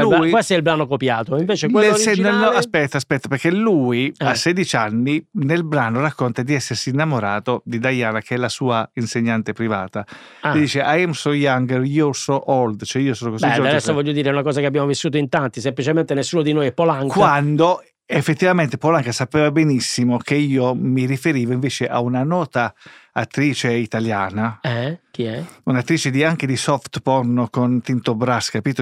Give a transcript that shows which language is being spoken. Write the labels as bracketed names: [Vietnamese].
[Italian] Questo è il brano copiato. Invece quello originale... aspetta, perché lui a 16 anni nel brano racconta di essersi innamorato di Diana, che è la sua insegnante privata. Gli dice [English] I am so younger, you're so old. [Italian] Cioè io sono così giovane. Adesso voglio dire una cosa che abbiamo vissuto in tanti. Semplicemente nessuno di noi è Polanca. Quando... effettivamente Polanca sapeva benissimo che io mi riferivo invece a una nota attrice italiana. Chi è? Un'attrice anche di soft porno con Tinto Brass, capito?